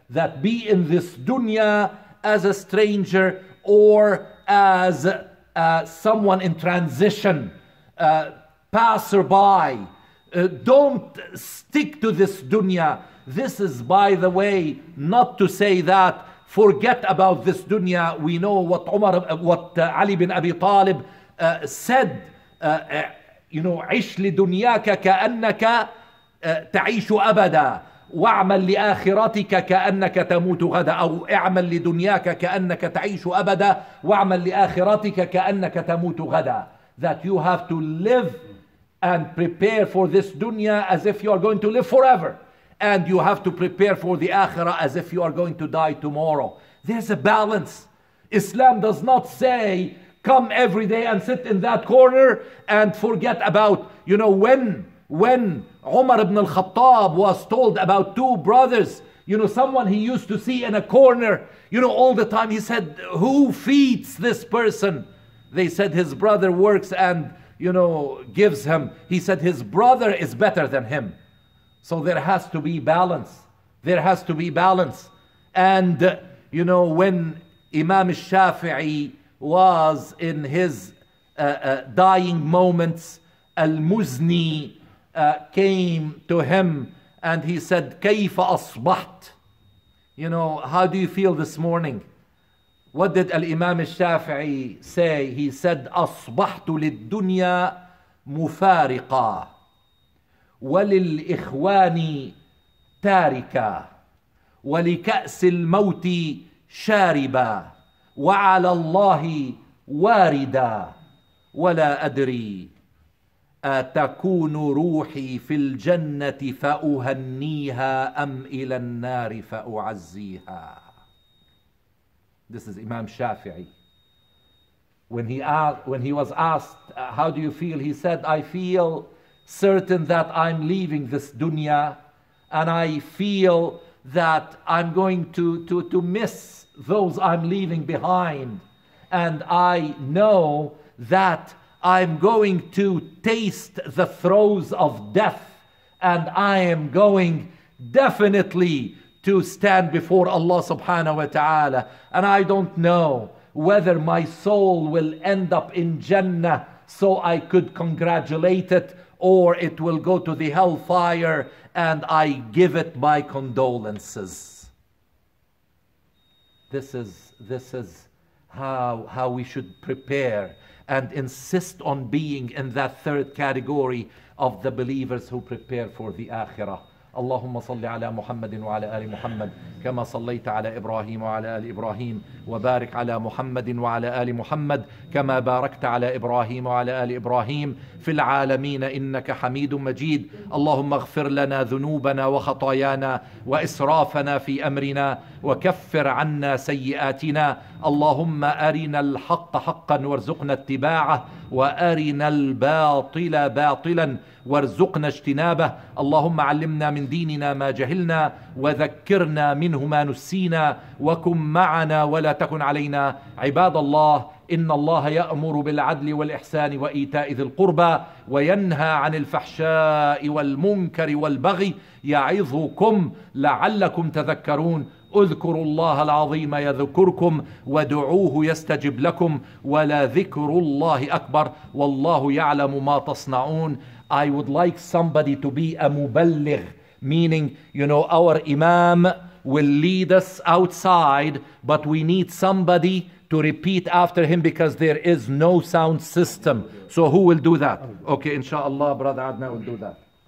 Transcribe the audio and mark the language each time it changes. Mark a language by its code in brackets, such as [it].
[en] That be in this dunya as a stranger or as someone in transition, passerby. Don't stick to this dunya. This is, by the way, not to say that forget about this dunya. We know what Umar, what Ali bin Abi Talib said, you know, [ar] عش لدنياك كأنك تعيش أبدا وعمل لآخرتك كأنك تموت غدا, أو اعمل لدنياك كأنك تعيش أبدا وعمل لآخرتك كأنك تموت غدا. [en] That you have to live and prepare for this dunya as if you are going to live forever, and you have to prepare for the akhirah as if you are going to die tomorrow. There's a balance. Islam does not say come every day and sit in that corner and forget about, you know, when Umar ibn al-Khattab was told about two brothers, you know, someone he used to see in a corner, you know, all the time, he said, who feeds this person? They said his brother works and, you know, gives him. He said his brother is better than him. So there has to be balance. There has to be balance. And, you know, when Imam al-Shafi'i was in his dying moments, Al-Muzni came to him and he said, [ar] كيف أصبحت? [en] You know, how do you feel this morning? What did Al-Imam al-Shafi'i say? He said, [ar] أصبحت للدنيا مفارقة وللإخوان تاركة ولكأس الموت شاربة وعلى الله واردة ولا أدري أتكون روحي في الجنة فأهنيها أم إلى النار فأعزيها. [en] This is Imam Shafi'i. When he was asked, how do you feel? He said, I feel certain that I'm leaving this dunya, and I feel that I'm going to miss those I'm leaving behind, and I know that I'm going to taste the throes of death, and I am going definitely to stand before Allah subhanahu wa ta'ala, and I don't know whether my soul will end up in Jannah so I could congratulate it, or it will go to the hellfire and I give it my condolences. This is how we should prepare and insist on being in that third category of the believers who prepare for the akhirah. [ar] اللهم صل على محمد وعلى آل محمد كما صليت على إبراهيم وعلى آل إبراهيم وبارك على محمد وعلى آل محمد كما باركت على إبراهيم وعلى آل إبراهيم في العالمين إنك حميد مجيد. اللهم اغفر لنا ذنوبنا وخطايانا وإسرافنا في أمرنا وكفر عنا سيئاتنا. اللهم أرنا الحق حقا وارزقنا اتباعه وأرنا الباطل باطلا وارزقنا اجتنابه. اللهم علمنا من ديننا ما جهلنا وذكرنا منه ما نسينا وكن معنا ولا تكن علينا. عباد الله, إن الله يأمر بالعدل والإحسان وإيتاء ذي القربى وينهى عن الفحشاء والمنكر والبغي يعظكم لعلكم تذكرون. اذكروا الله العظيم يذكركم ودعوه يستجب لكم ولذكر الله أكبر والله يعلم ما تصنعون. [en] I would like somebody to be a مبلغ, meaning, you know, our imam will lead us outside, but we need somebody to repeat after him because there is no sound system. So who will do that? Okay, inshallah, brother Adnan will do that.